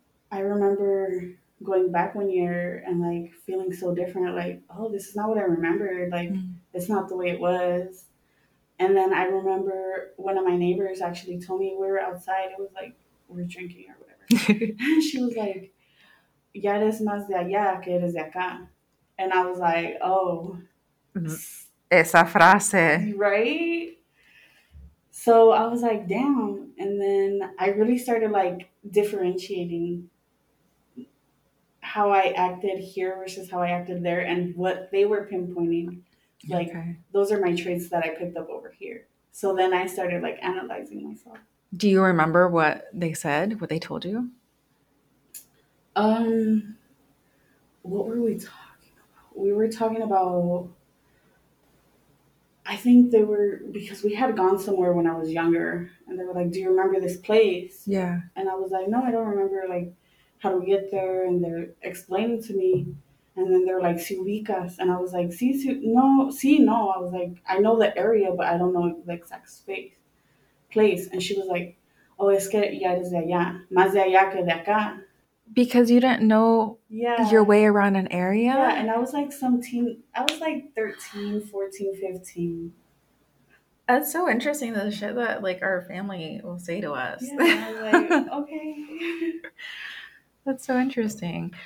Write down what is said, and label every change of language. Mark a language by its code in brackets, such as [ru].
[en] I remember going back 1 year and, like, feeling so different, like, oh, this is not what I remembered, like, mm-hmm. it's not the way it was. And then I remember one of my neighbors actually told me, we were outside, it was like, we're drinking or whatever. She was like, [es] ya eres más de allá que eres de acá. [en] And I was like, oh. [es] Esa frase. [en] Right? So I was like, damn. And then I really started, like, differentiating how I acted here versus how I acted there and what they were pinpointing. Like, okay. Those are my traits that I picked up over here. So then I started, like, analyzing myself. Do you remember what they said, what they told you? What were we talking about? We were talking about, I think they were, because we had gone somewhere when I was younger, and they were like, do you remember this place? Yeah. And I was like, no, I don't remember, like, how do we get there? And they're explaining to me, and then they're like, [es] si ubicas. [en] And I was like, no. I was like, I know the area, but I don't know the exact space, place. And she was like, oh, [es] es que ya eres de allá, más de allá que de acá. [en] Because you didn't know your way around an area? Yeah, and I was like 13, 14, 15. That's so interesting, the shit that like our family will say to us. Yeah, I was like, okay. That's so interesting.